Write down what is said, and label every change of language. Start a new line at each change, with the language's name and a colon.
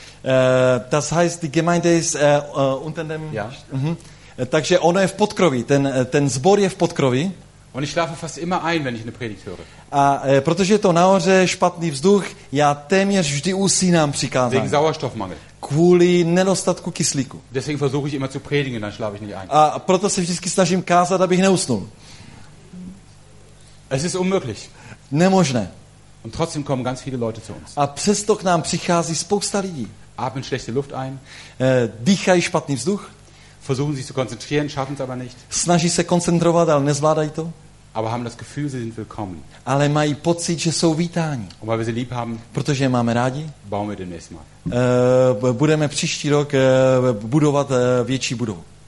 German: Das heißt, die Gemeinde ist unter dem. Ja.
Czech: Takže ono je v podkroví. Ten sbor je v podkroví.
German: Und ich schlafe fast immer ein, wenn ich eine Predigt höre.
Czech: A protože je to nahoře, špatný vzduch, já téměř vždy usínám při kázání.
German: Wegen Sauerstoffmangel.
Czech: Kvůli nedostatku kyslíku.
German: Deswegen versuche ich immer zu predigen, dann schlafe ich nicht ein.
Czech: A proto se vždycky snažím kázat, abych neusnul.
German: Es ist unmöglich.
Czech: Nemožné.
German: Und trotzdem kommen ganz viele Leute zu uns.
Czech: A přesto k nám přichází spousta lidí.
German: Atmen schlechte Luft ein.
Czech: Dýchají špatný vzduch.
German: Versuchen sich zu konzentrieren, schaffen es aber nicht.
Czech: Snaží se koncentrovat, ale nezvládají to.
German: Aber haben das Gefühl, sie sind willkommen.
Czech: Ale mají pocit, že jsou vítáni.
German: Und weil wir sie lieb haben,
Czech: protože je máme rádi.
German: Bauen wir demnächst mal.
Czech: Budeme příští rok budovat větší budovu.